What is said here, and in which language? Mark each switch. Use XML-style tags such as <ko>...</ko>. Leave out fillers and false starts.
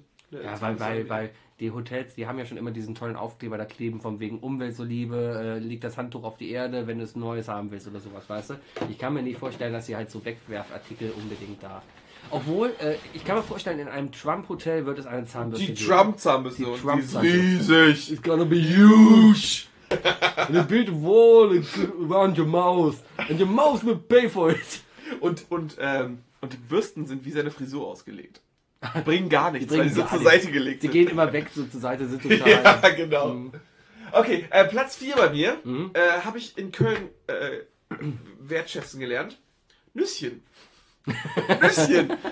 <de>ja, weil die Hotels, die haben ja schon immer diesen tollen Aufkleber da kleben, von wegen Umweltzuliebe, liegt das Handtuch auf die Erde, wenn du es Neues haben willst oder sowas, weißt du? Ich kann mir nicht vorstellen, dass sie halt so Wegwerfartikel unbedingt da... Obwohl, ich kann mir vorstellen, in einem Trump-Hotel wird es eine Zahnbürste geben. Die Trump-Zahnbürste, die Trump-Zahnbürste. Die ist riesig.</de> <en>It's gonna be huge. And a big wall around your mouth. And your mouth will pay for it.</en> <de>Und die Bürsten sind wie seine Frisur ausgelegt. Die bringen gar nichts, die sind zur Seite gelegt. Die gehen immer weg, so zur Seite sind total. Ja, genau. Mhm. Okay, Platz 4 bei mir habe ich in Köln wertschätzen gelernt. Nüsschen. Nüsschen.</de>